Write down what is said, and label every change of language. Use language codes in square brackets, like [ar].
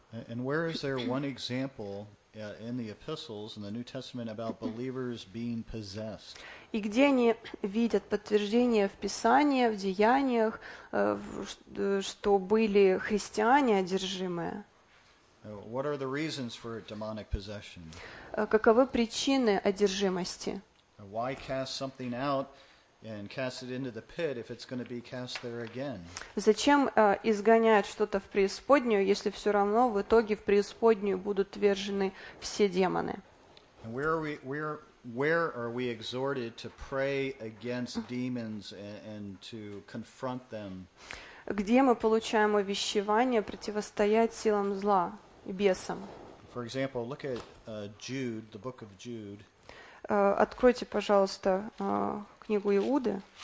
[en] And where is there one example in the epistles in the New Testament about believers being possessed? [ru] И где они видят подтверждение в Писании, в Деяниях, что были христиане одержимые? [en] What are the reasons for demonic possession? [ru] Каковы причины одержимости? [en] Why cast something out and cast it into the pit if it's going to be cast there again? [ru] Зачем изгоняют что-то в преисподнюю, если все равно в итоге в преисподнюю будут ввержены все демоны? [en] And where are we exhorted to pray against demons and to confront them? [ru] Где мы получаем увещевание противостоять силам зла и бесам? [en] For example, look at Jude, the book of Jude. [ru] Откройте, пожалуйста, книгу Иуды.